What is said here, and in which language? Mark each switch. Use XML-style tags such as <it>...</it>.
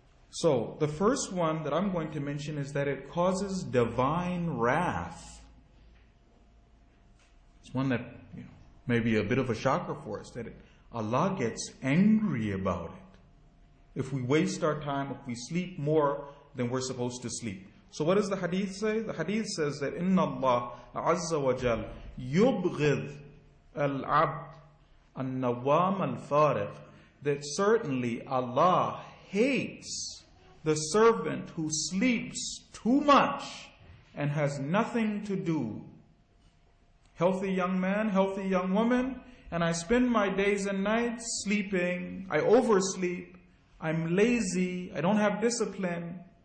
<en>So the first one that I'm going to mention is that it causes divine wrath. It's one that may be a bit of a shocker for us, that Allah gets angry about it if we waste our time, if we sleep more than we're supposed to sleep. So what does the hadith say? The hadith says that</en> <ar>إِنَّ اللَّهَ عَزَّ وَجَلْ يُبْغِذْ الْعَبْدِ النَّوَّامَ الْفَارِغِ.</ar> <en>That certainly Allah hates the servant who sleeps too much and has nothing to do. Healthy young man, healthy young woman, and I spend my days and nights sleeping, I oversleep, I'm lazy, I don't have discipline.</en>